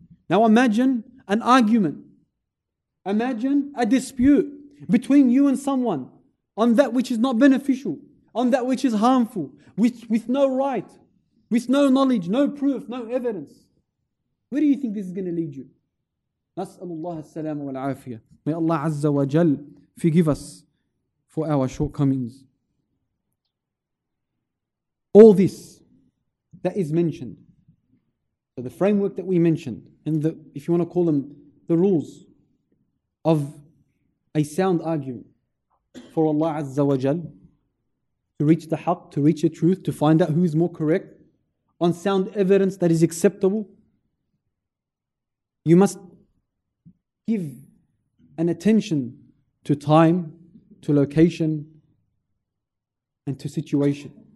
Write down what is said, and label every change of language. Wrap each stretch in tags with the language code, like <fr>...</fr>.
<en>Now imagine an argument. Imagine a dispute between you and someone on that which is not beneficial, on that which is harmful, with no right, with no knowledge, no proof, no evidence. Where do you think this is going to lead you?</en> <ar>نسأل الله السلام والعافية.</ar> <en>May Allah Azza wa Jal forgive us for our shortcomings. All this that is mentioned, so the framework that we mentioned, and the, if you want to call them the rules of a sound argument for Allah Azza wa Jal, to reach the haq, to reach the truth, to find out who is more correct, on sound evidence that is acceptable, you must give an attention to time, to location, and to situation.</en>